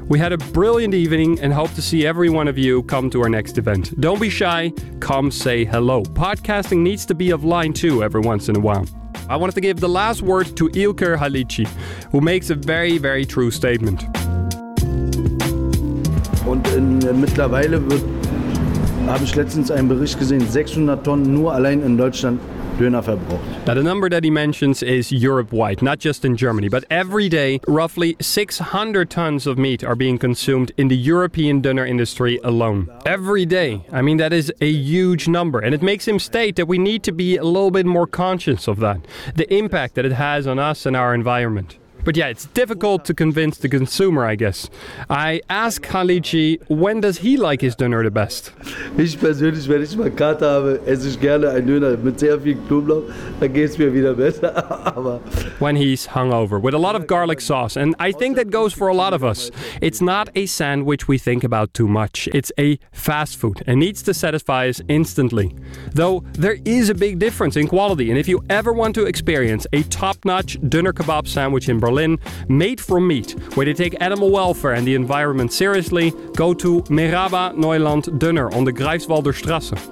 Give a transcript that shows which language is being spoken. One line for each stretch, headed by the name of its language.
English: We had a brilliant evening and hope to see every one of you come to our next event. Don't be shy, come say hello. Podcasting needs to be offline too every once in a while. I wanted to give the last word to Ilker Halici, who makes a very, very true statement.
German: Und mittlerweile habe ich letztens einen Bericht gesehen, 600 Tonnen nur allein in Deutschland.
English: Now, the number that he mentions is Europe-wide, not just in Germany, but every day, roughly 600 tons of meat are being consumed in the European dinner industry alone. Every day. I mean, that is a huge number. And it makes him state that we need to be a little bit more conscious of that, the impact that it has on us and our environment. But yeah, it's difficult to convince the consumer, I guess. I ask Halici, when does he like his döner the best?
German: Ich persönlich, wenn ich mal Kater habe, esse ich gerne ein Döner mit sehr viel Knoblauch, dann geht's mir wieder besser.
English: When he's hungover, with a lot of garlic sauce, and I think that goes for a lot of us. It's not a sandwich we think about too much. It's a fast food and needs to satisfy us instantly. Though there is a big difference in quality, and if you ever want to experience a top-notch döner kebab sandwich in Berlin, made from meat, where they take animal welfare and the environment seriously, go to Meraba Neuland Döner on the Greifswalder Straße.